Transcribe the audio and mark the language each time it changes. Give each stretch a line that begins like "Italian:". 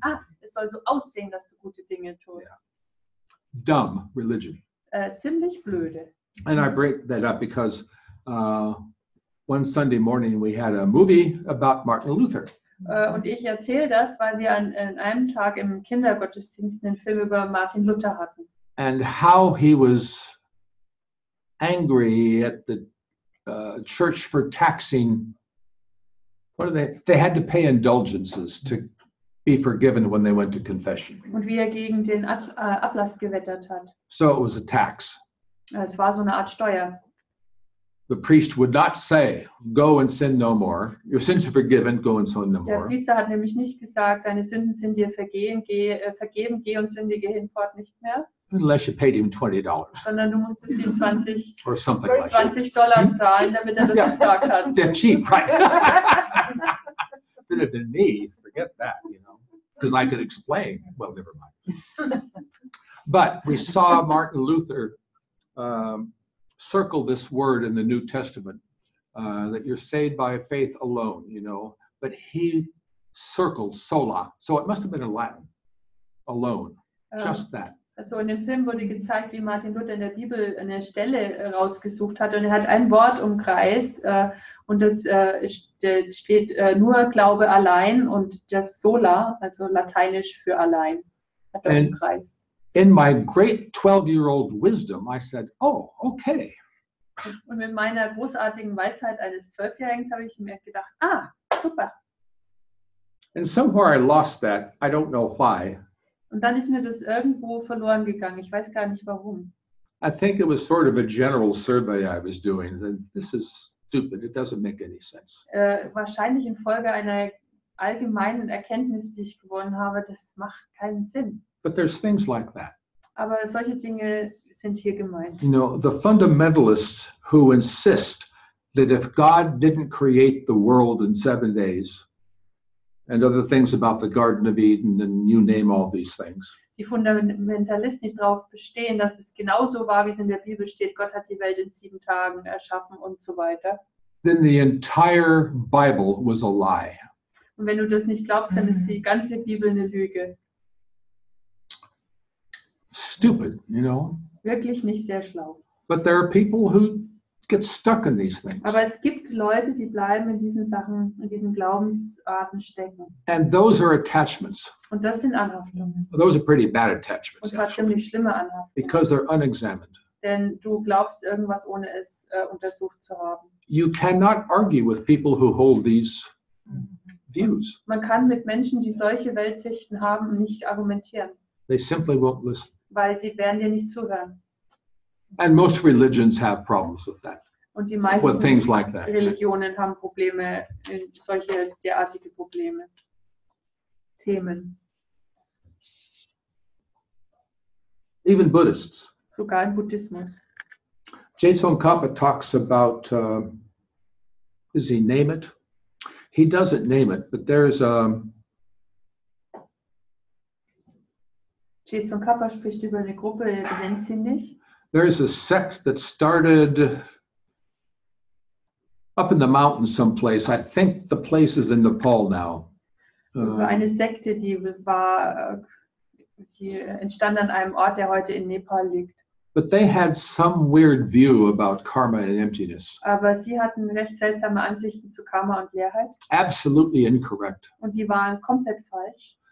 German: Ah, es soll so aussehen, dass du gute Dinge tust.
English: Yeah. Dumb religion.
German: Ziemlich blöde.
English: And I break that up because one Sunday morning we had a movie about Martin Luther.
German: Und ich erzähle das, weil wir an einem Tag im Kindergottesdienst einen Film über Martin Luther hatten.
English: And how he was angry at the church for taxing. What are they? They had to pay indulgences to be forgiven when they went to confession.
German: Und wie er gegen den Ablass gewettert hat.
English: So it was a tax.
German: Es war so eine Art Steuer.
English: The priest would not say, go and sin no more. Your sins are forgiven, go and sin no more.
German: Der Priester hat nämlich nicht gesagt, deine Sünden sind dir vergeben, geh und sündige hinfort nicht mehr.
English: Unless you paid him $20.
German: Sondern du musstest ihm $20
English: or something like
German: $20 zahlen, damit er das gesagt hat.
English: They're cheap, right? Better than me, forget that, you know. Because I could explain, well, never mind. But we saw Martin Luther circle this word in the New Testament, that you're saved by faith alone, you know. But he circled sola. So it must have been in Latin, alone, just that.
German: Also in dem Film wurde gezeigt, wie Martin Luther in der Bibel eine Stelle rausgesucht hat. Und er hat ein Wort umkreist und das steht nur Glaube allein und das sola, also lateinisch für allein, hat er umkreist.
English: In my great 12-year-old wisdom, I said, oh, okay.
German: Und mit meiner großartigen Weisheit eines 12-Jährigen habe ich mir gedacht, ah, super.
English: And somewhere I lost that. I don't know why.
German: Und dann ist mir das irgendwo verloren gegangen. Ich weiß gar nicht, warum.
English: I think it was sort of a general survey I was doing. This is stupid. It doesn't make any sense.
German: Wahrscheinlich infolge einer allgemeinen Erkenntnis, die ich gewonnen habe, das macht keinen Sinn.
English: But there's things like that.
German: Aber solche Dinge sind hier gemeint.
English: You know, the fundamentalists who insist that if God didn't create the world in 7 days and other things about the Garden of Eden and you name all these things.
German: Die Fundamentalisten, die darauf bestehen, dass es genauso war, wie es in der Bibel steht, Gott hat die Welt in 7 Tagen erschaffen und so weiter.
English: Then the entire Bible was a lie.
German: Und wenn du das nicht glaubst, dann ist die ganze Bibel eine Lüge.
English: Stupid, you know.
German: Wirklich nicht sehr schlau.
English: But there are people who get stuck in these things.
German: Aber es gibt Leute, die bleiben in diesen Sachen, in diesen Glaubensarten stecken.
English: And those are attachments.
German: Und das sind Anhaftungen.
English: Those are pretty bad attachments.
German: Und zwar ziemlich schlimme Anhaftungen.
English: Because they're unexamined.
German: Denn du glaubst irgendwas, ohne es untersucht zu haben.
English: You cannot argue with people who hold these views.
German: Man kann mit Menschen, die solche Weltsichten haben, nicht argumentieren.
English: They simply won't listen.
German: Weil sie werden dir nicht zuhören.
English: And most religions have problems with that.
German: Und die meisten
English: with things like that.
German: Religionen haben Probleme, solche derartige Probleme, Themen.
English: Even Buddhists.
German: Sogar im Buddhismus.
English: Jason Kappa talks about, does he name it? He doesn't name it, but there's a
German: Jetson Kappa spricht über eine Gruppe, er nennt sie nicht.
English: There is a sect that started up in the mountains someplace. I think the place is in Nepal now.
German: Eine Sekte, die war, die entstand an einem Ort, der heute in Nepal liegt.
English: But they had some weird view about karma and emptiness.
German: Aber sie hatten recht seltsame Ansichten zu Karma und Leerheit.
English: Absolutely incorrect.
German: Und die waren komplett falsch.